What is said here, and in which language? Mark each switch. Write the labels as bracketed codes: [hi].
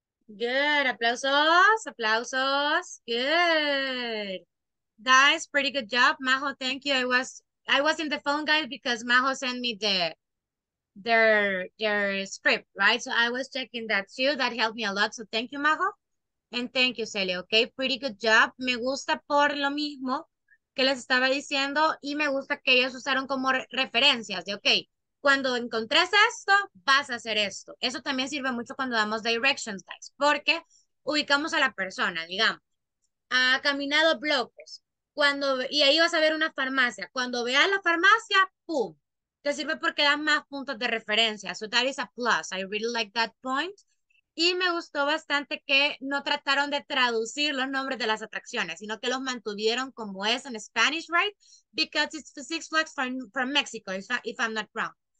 [en] Good, [es] aplausos, aplausos, [en] good. Guys, pretty good job. Majo, thank you. I was in the phone, guys, because Majo sent me their script, right? So I was checking that too. That helped me a lot. So thank you, Majo. And thank you, Celia, okay? Pretty good job. [es] Me gusta por lo mismo que les estaba diciendo y me gusta que ellos usaron como referencias de, okay, cuando encontres esto, vas a hacer esto. Eso también sirve mucho cuando damos directions, guys, porque ubicamos a la persona, digamos. Ha caminado bloques. cuando, y ahí vas a ver una farmacia. Cuando veas la farmacia, ¡pum! Te sirve porque das más puntos de referencia. [en] So that is a plus. I really like that point. [es] Y me gustó bastante que no trataron de traducir los nombres de las atracciones, sino que los mantuvieron como es en Spanish, right? [en] Because it's Six Flags from Mexico, if I'm not wrong.